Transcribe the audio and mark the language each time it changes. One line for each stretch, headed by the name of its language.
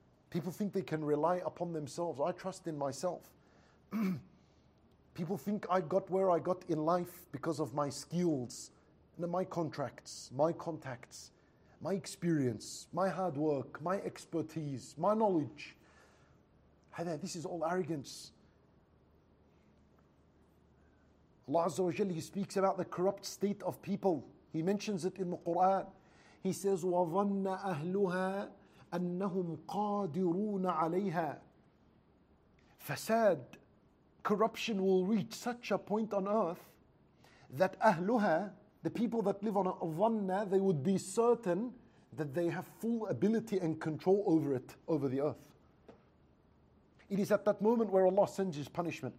English: People think they can rely upon themselves. I trust in myself. People think I got where I got in life because of my skills, my contracts, my contacts, my experience, my hard work, my expertise, my knowledge. This is all arrogance. Allah Azza wa Jal, He speaks about the corrupt state of people. He mentions it in the Quran. He says,
Arabic: وَظَنَّ أَهْلُهَا أَنَّهُمْ قَادِرُونَ عَلَيْهَا.
English: Fasad, corruption will reach such a point on earth that أَهْلُهَا, the people that live on it, ظَنَّ, they would be certain that they have full ability and control over it, over the earth. It is at that moment where Allah sends His punishment.